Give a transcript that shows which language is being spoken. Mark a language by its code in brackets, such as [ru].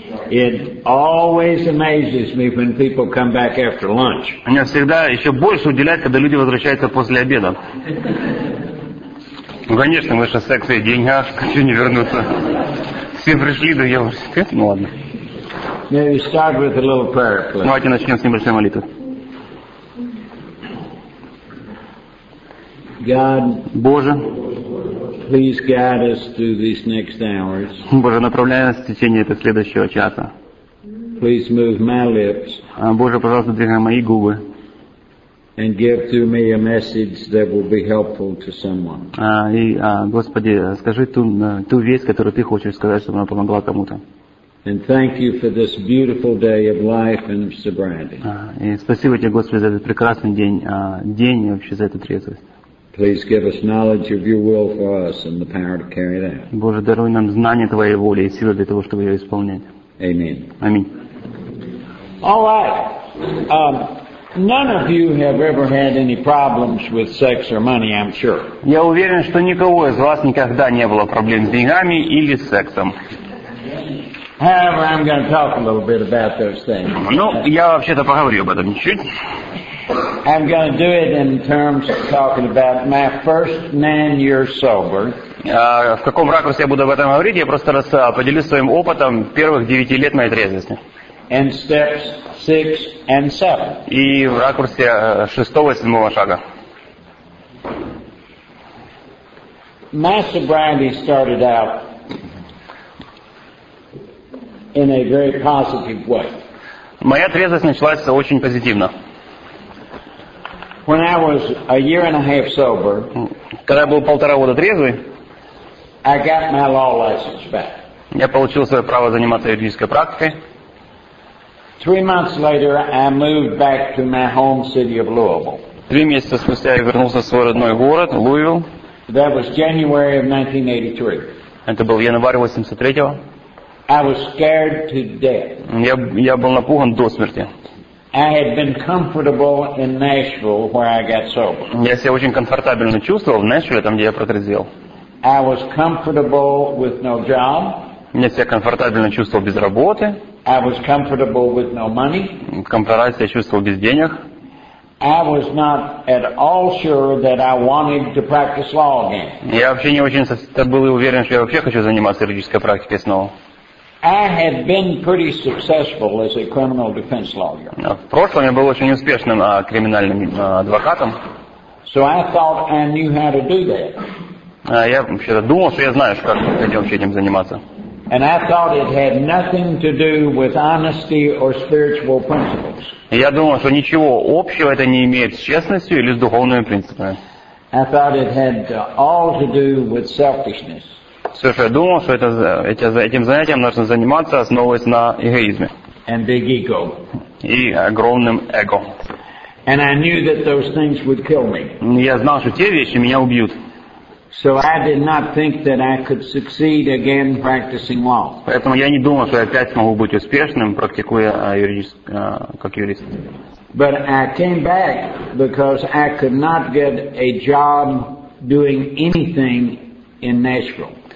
[en] It always amazes me when people come back after lunch. [ru] Меня всегда еще больше удивляет, когда люди возвращаются после обеда. Ну, конечно, мы же секции деньги, а хочу не вернуться. Все пришли, да я уже спит, ну ладно. [en] May we start with a little prayer, please? [ru] Давайте начнем с небольшой молитвы. [en] God, [ru] Боже, [en] please guide us through these next hours. [ru] Боже, направляй нас в течение этого следующего часа. [en] Please move my lips. [ru] Боже, пожалуйста, двигай мои губы. [en] And give to me a message that will be helpful to someone. [ru] Господи, скажи ту весть, которую ты хочешь сказать, чтобы она помогла кому-то. [en] And thank you for this beautiful day of life and of sobriety. [ru] И спасибо тебе, Господи, за этот прекрасный день и вообще за эту трезвость. [en] Please give us knowledge of your will for us and the power to carry it out. [ru] Боже, даруй нам знание твоей воли и силы для того, чтобы ее исполнять. [en] Amen. [ru] Аминь. [en] All right. None of you have ever had any problems with sex or money, I'm sure. [ru] Я уверен, что никого из вас никогда не было проблем с деньгами или с сексом. [en] However, I'm going to talk a little bit about those things. [ru] Ну, я вообще-то поговорю об этом чуть-чуть. [en] I'm going to do it in terms of talking about my first 9 years sober. [ru] В каком ракурсе я буду об этом говорить? Я просто поделюсь своим опытом первых 9 лет моей трезвости. [en] And steps 6 and 7. [ru] И в ракурсе 6-го и 7-го шага. [en] My sobriety started out in a very positive way. [ru] Моя трезвость началась очень позитивно. [en] When I was a year and a half sober, [ru] когда я был полтора года трезвый, [en] I got my law license back. [ru] Я получил свое право заниматься юридической практикой. [en] 3 months later, I moved back to my home city of Louisville. [ru] 3 месяца спустя я вернулся в свой родной город, Луивилл. [en] That was January of 1983. [ru] Это был январь 83-го. [en] I was scared to death. [ru] Я был напуган до смерти. [en] I had been comfortable in Nashville where I got sober. [ru] Я себя очень комфортабельно чувствовал в Нэшвилле, там, где я протрезвел. [en] I was comfortable with no job. [ru] Я себя комфортабельно чувствовал без работы. [en] I was comfortable with no money. [ru] Комфортабельно себя чувствовал без денег. [en] I was not at all sure that I wanted to practice law again. [ru] Я вообще не очень был уверен, что я вообще хочу заниматься юридической практикой снова. [en] I had been pretty successful as a criminal defense lawyer. [ru] В прошлом я был очень успешным криминальным адвокатом. [en] So I thought I knew how to do that. [ru] Я вообще-то думал, что я знаю, как вообще этим заниматься. [en] And I thought it had nothing to do with honesty or spiritual principles. [ru] Я думал, что ничего общего это не имеет с честностью или с духовными принципами. [en] I thought it had all to do with selfishness. [ru] Все, что я думал, что этим занятием нужно заниматься, основываясь на эгоизме. [en] And big ego. [ru] И огромным эго. [en] And I knew that those things would kill me. [ru] Я знал, что те вещи меня убьют. [en] So I did not think that I could succeed again practicing law. [ru] Поэтому я не думал, что я опять смогу быть успешным, практикуя как юрист. [en] But I came back because I could not get a job doing anything in Nashville.